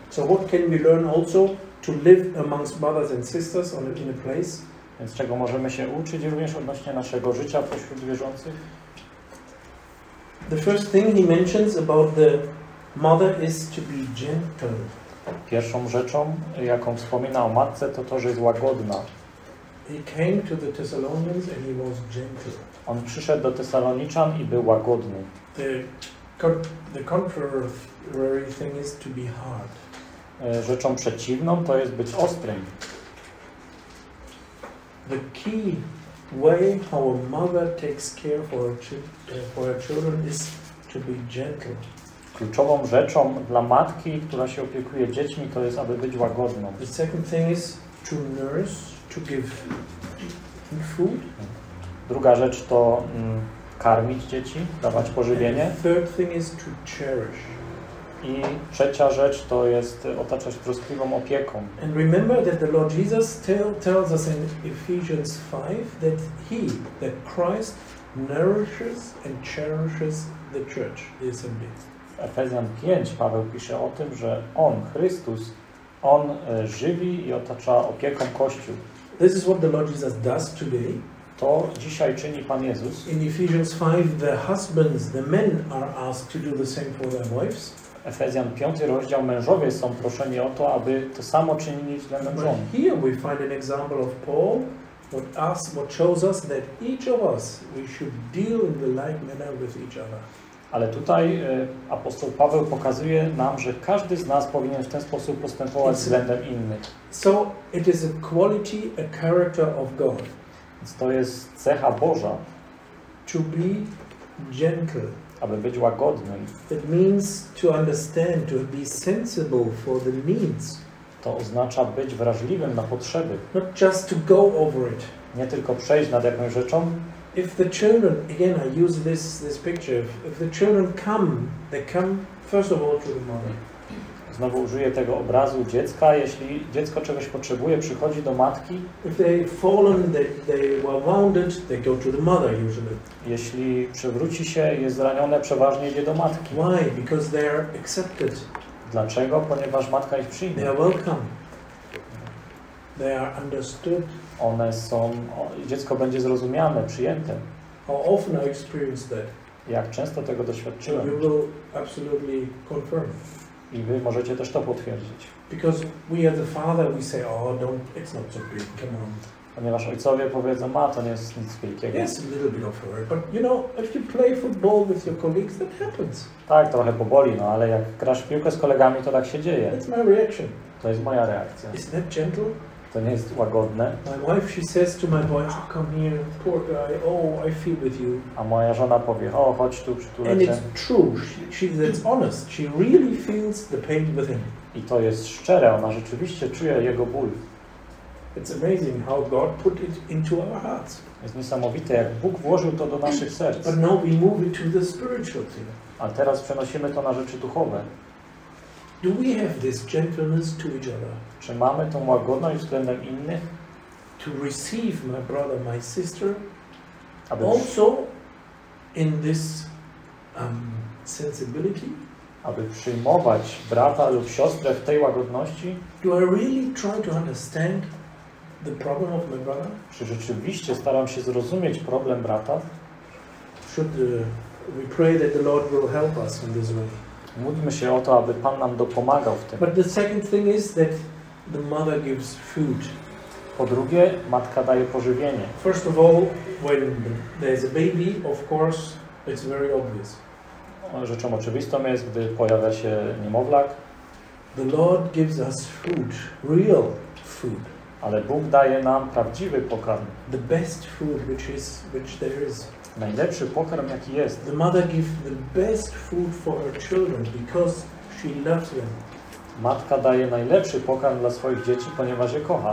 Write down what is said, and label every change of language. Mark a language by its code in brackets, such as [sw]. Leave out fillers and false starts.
[en] So what can we learn also to live amongst brothers and sisters on in a place? [pl] Więc czego możemy się uczyć również odnośnie naszego życia pośród wierzących? [en] The first thing he mentions about the mother is to be gentle. [pl] Pierwszą rzeczą, jaką wspomina o matce, to to, że jest łagodna. [en] He came to the Thessalonians and he was gentle. [pl] On przyszedł do Tesaloniczan i był łagodny. [en] The contrary thing is to be hard. [pl] Rzeczą przeciwną to jest być ostrym. [en] The key way how a mother takes care for her children is to be gentle. [pl] Kluczową rzeczą dla matki, która się opiekuje dziećmi, to jest, aby być łagodną. [en] The second thing is to nurse, to give food. [pl] Druga rzecz to karmić dzieci, dawać pożywienie. [en] And third thing is to cherish. [pl] I trzecia rzecz to jest otaczać troskliwą opieką. [en] And remember that the Lord Jesus tells us in Ephesians 5 that he, that Christ, nourishes and cherishes the church, the assembly. [pl] Efezjan 5 Paweł pisze o tym, że on, Chrystus, on żywi i otacza opieką Kościół. [en] This is what the Lord Jesus does today. [pl] To dzisiaj czyni Pan Jezus. [en] In Ephesians 5 the husbands, the men are asked to do the same for their wives. [pl] Efezjan 5 rozdział, mężowie są proszeni o to, aby to samo czynili względem żon. [en] But here we find an example of Paul, what shows us that each of us we should deal in the like manner with each other. [pl] Ale tutaj apostoł Paweł pokazuje nam, że każdy z nas powinien w ten sposób postępować względem innych. [en] So it is a quality, a character of God. [pl] Więc to jest cecha Boża. [en] To be gentle. [pl] Aby być łagodnym. [en] It means to understand, to be sensible for the needs. [pl] To oznacza być wrażliwym na potrzeby. [en] Not just to go over it. [pl] Nie tylko przejść nad jakąś rzeczą. [en] If the children, again, I use this picture. If the children come, they come first of all to the mother. [pl] Znowu użyję tego obrazu dziecka. Jeśli dziecko czegoś potrzebuje, przychodzi do matki. [en] If they fallen, they were wounded, they go to the mother usually. [pl] Jeśli przewróci się, jest zranione, przeważnie idzie do matki. [en] Why? Because they are accepted. [pl] Dlaczego? Ponieważ matka ich przyjmie. [en] They are welcome. They are understood. [pl] One są, dziecko będzie zrozumiane, przyjęte. [en] How often I experienced that? [pl] Jak często tego doświadczyłem? [en] You will absolutely confirm. [pl] I wy możecie też to potwierdzić. [en] Because we are the father, we say, oh, don't, it's not so big, come on. [pl] Ponieważ ojcowie powiedzą, a to nie jest nic wielkiego. [en] Yes, a little bit of hurt, but you know, if you play football with your colleagues, that happens. [pl] Tak, trochę poboli, no, ale jak grasz w piłkę z kolegami, to tak się dzieje. [en] That's my reaction. [pl] To jest moja reakcja. [en] Is that gentle? [pl] To nie jest łagodne. [en] My wife, she says to my boy, oh, come here, poor guy, oh, I feel with you. [pl] A moja żona powie, o, chodź tu, przytulę cię. [en] And it's true, she's honest, she really feels the pain with him. [pl] I to jest szczere, ona rzeczywiście czuje jego ból. [en] It's amazing how God put it into our hearts. [pl] Jest niesamowite, jak Bóg włożył to do naszych serc. [en] But now we move it to the spiritual thing. [pl] A teraz przenosimy to na rzeczy duchowe. [en] Do we have this gentleness to each other? [pl] Czy mamy tą łagodność względem innych? [en] To receive my brother, my sister, also in this sensibility? [pl] Aby przyjmować brata lub siostrę w tej łagodności? [en] Do I really try to understand the problem of my brother? [pl] Czy rzeczywiście staram się zrozumieć problem brata? [en] Should we pray that the Lord will help us in this way? [pl] Módlmy się o to, aby Pan nam dopomagał w tym. [en] But the second thing is that the mother gives food. [pl] Po drugie, matka daje pożywienie. [en] First of all, when there is a baby, of course, it's very obvious. [pl] Rzeczą oczywistą jest, gdy pojawia się niemowlak. [en] The Lord gives us food, real food. [pl] Ale Bóg daje nam prawdziwy pokarm. [en] The best food which there is. [pl] Najlepszy pokarm, jaki jest. [en] The mother gives the best food for her children because she loves them. [pl] Matka daje najlepszy pokarm dla swoich dzieci, ponieważ je kocha.